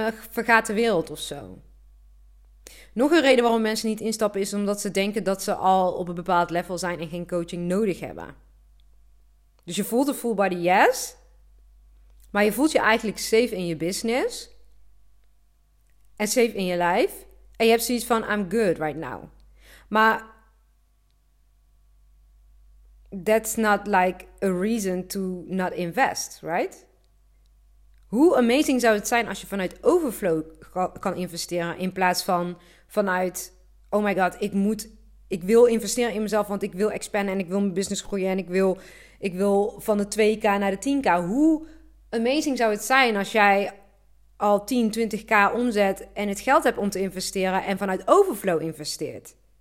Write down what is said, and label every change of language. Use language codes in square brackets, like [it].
[nl] vergaat de wereld of zo. Nog een reden waarom mensen niet instappen is omdat ze denken dat ze al op een bepaald level zijn en geen coaching nodig hebben. Dus je voelt een full body yes, maar je voelt je eigenlijk safe in je business en safe in je lijf. En je hebt zoiets van, [en] I'm good right now. [nl] Maar [en] that's not like a reason to not invest, right? [nl] Hoe amazing zou het zijn als je vanuit overflow kan investeren in plaats van vanuit, [en] oh my god, [nl] ik wil investeren in mezelf, want ik wil expanden en ik wil mijn business groeien en ik wil van de 2k naar de 10k. Hoe amazing zou het zijn als jij al 10, 20k omzet en het geld hebt om te investeren en vanuit overflow investeert?